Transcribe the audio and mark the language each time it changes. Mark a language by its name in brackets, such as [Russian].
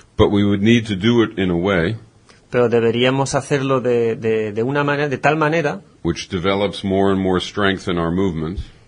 [English] But we would need to do it in a way. [Spanish] Pero deberíamos hacerlo de una manera, de tal manera. [English] Which develops more and more strength in our movements.